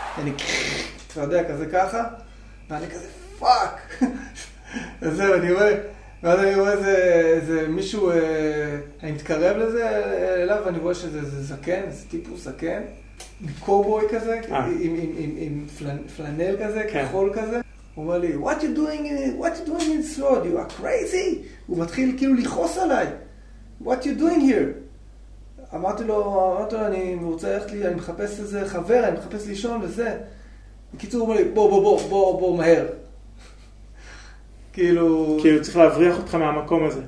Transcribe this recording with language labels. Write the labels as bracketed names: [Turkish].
[Hebrew] אני אתה יודע, כזה ככה, ואני כזה, פאק. וזהו, אני רואה, ואז אני רואה איזה מישהו, אני מתקרב לזה אליו, ואני רואה שזה זקן, זה טיפוס זקן. קובוי כזה, עם פלנל כזה, כחול כזה. הוא אומר לי, [English] what you doing in it? What you doing in this road? You are crazy? [Hebrew] הוא מתחיל כאילו לחוס עליי. [English] What you doing here? [Hebrew] אמרתי לו, אני רוצה ללכת לי, אני מחפש איזה חבר, אני מחפש לישון וזה. בקיצור, הוא אומר לי, בוא, מהר. כאילו... כאילו צריך להבריח אותך מהמקום הזה.